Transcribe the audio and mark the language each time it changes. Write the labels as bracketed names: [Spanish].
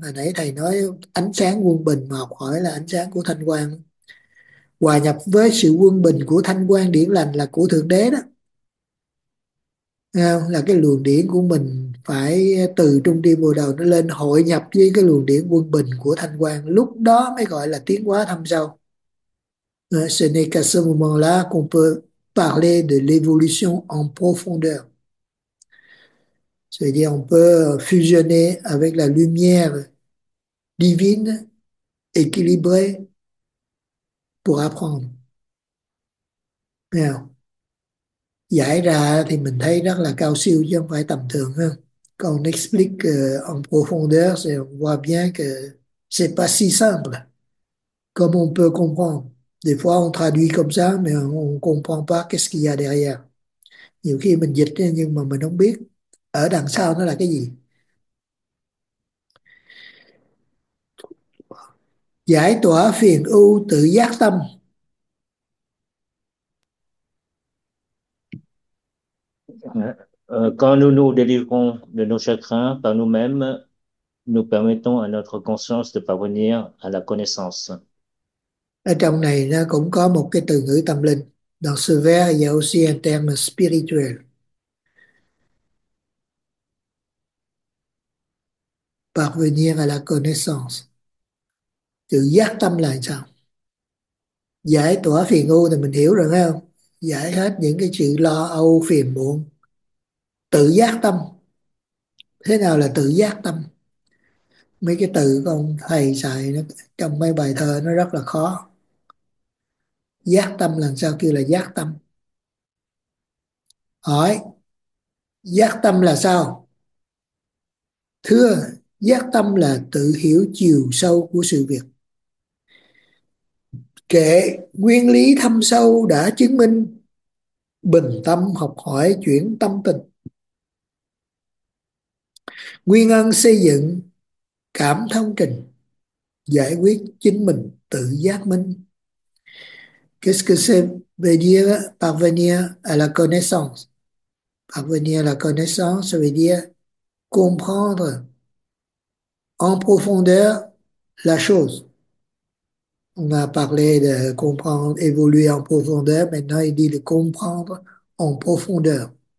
[Vietnamese] Hồi nãy thầy nói ánh sáng quân bình mà học hỏi là ánh sáng của thanh quang, hòa nhập với sự quân bình của thanh quang điển lành là của thượng đế đó. Nghe không? Là cái luồng điển của mình phải từ trung tâm bồ đầu nó lên hội nhập với cái luồng điển quân bình của thanh quang, lúc đó mới gọi là tiến hóa thâm sâu. [French] Ce n'est qu'à ce moment-là qu'on peut parler de l'évolution en profondeur. C'est-à-dire on peut fusionner avec la lumière divine équilibrée pour apprendre. [Vietnamese] Nghe không? Giải ra thì mình thấy rất là cao siêu chứ không phải tầm thường hơn. Còn [French] explique en profondeur, c'est on voit bien que c'est pas si simple comme on peut comprendre. Des fois on traduit comme ça mais on comprend pas qu'est-ce qu'il y a derrière. [Vietnamese] Nhiều khi mình dịch nhưng mà mình không biết ở đằng sau nó là cái gì. Giải tỏa phiền ưu tự giác tâm. [French] Quand nous nous délivrons de nos chagrins par nous-mêmes, nous permettons à notre conscience de parvenir à la connaissance. [Vietnamese] Ở trong này nó cũng có một cái từ ngữ tâm linh, [French] dans ce vers il y a aussi un terme spirituel. Parvenir à la connaissance. [Vietnamese] Tự giác tâm là sao? Giải tỏa phiền ưu thì mình hiểu rồi phải không? Giải hết những cái sự lo âu phiền muộn. Tự giác tâm. Thế nào là tự giác tâm? Mấy cái từ con thầy xài nó, trong mấy bài thơ nó rất là khó. Giác tâm làm sao kêu là giác tâm? Hỏi, giác tâm là sao? Thưa, giác tâm là tự hiểu chiều sâu của sự việc. Kệ, nguyên lý thâm sâu đã chứng minh, bình tâm học hỏi chuyển tâm tình. Nguyên ân xây dựng cảm thông trình, giải quyết chính mình tự giác minh. [French] Qu'est-ce que c'est veut dire parvenir à la connaissance? Parvenir à la connaissance, ça veut dire comprendre en profondeur la chose. On a parlé de comprendre, évoluer en profondeur, maintenant il dit de comprendre en profondeur.